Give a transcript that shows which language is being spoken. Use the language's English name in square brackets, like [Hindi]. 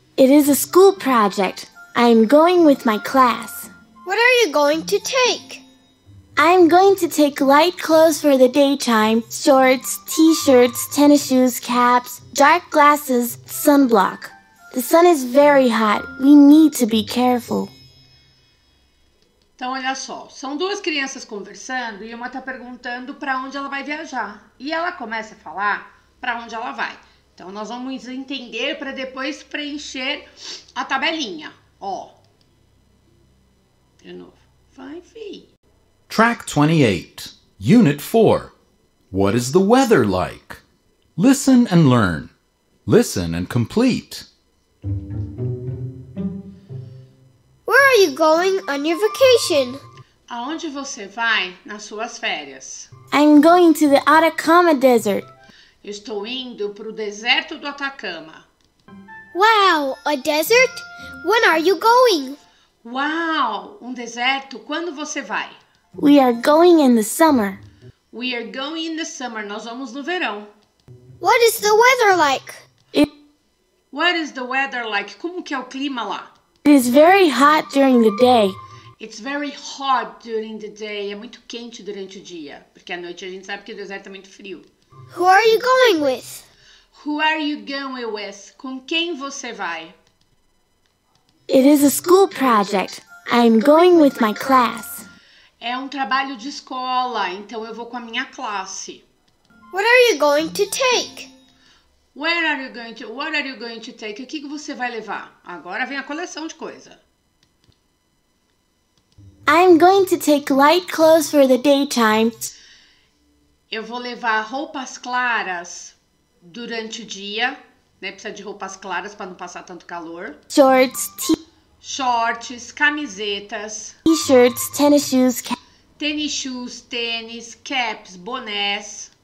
[English] It is a school project. I am going with my class. What are you going to take? I am going to take light clothes for the daytime, shorts, t-shirts, tennis shoes, caps, dark glasses, sunblock. The sun is very hot. We need to be careful. [Portuguese] Então, olha só, são duas crianças conversando e uma está perguntando para onde ela vai viajar. E ela começa a falar para onde ela vai. Então, nós vamos entender para depois preencher a tabelinha. Ó. De novo. Vai, filho. [English] Track 28, Unit 4. What is the weather like? Listen and learn. Listen and complete. Where are you going on your vacation? [Portuguese] Aonde você vai nas suas férias? [English] I'm going to the Atacama Desert. [Portuguese] Estou indo para o deserto do Atacama. [English] Wow, a desert? When are you going? [Portuguese] Wow, um deserto? Quando você vai? [English] We are going in the summer. We are going in the summer. [Portuguese] Nós vamos no verão. [English] What is the weather like? What is the weather like? [Portuguese] Como que é o clima lá? [English] It is very hot during the day. It's very hot during the day. [Portuguese] É muito quente durante o dia. Porque à noite a gente sabe que o deserto é muito frio. [English] Who are you going with? Who are you going with? [Portuguese] Com quem você vai? [English] It is a school project. I'm going with my class. [Portuguese] É um trabalho de escola, então eu vou com a minha classe. [English] What are you going to take? Where are you going to? What are you going to take? [Portuguese] O que que você vai levar? Agora vem a coleção de coisa. [English] I'm going to take light clothes for the daytime. [Portuguese] Eu vou levar roupas claras durante o dia, né? Precisa de roupas claras para não passar tanto calor. [English] Shorts, [Portuguese] shorts, camisetas, [English] t-shirts, tennis shoes, tennis shoes, tênis, caps, bonés,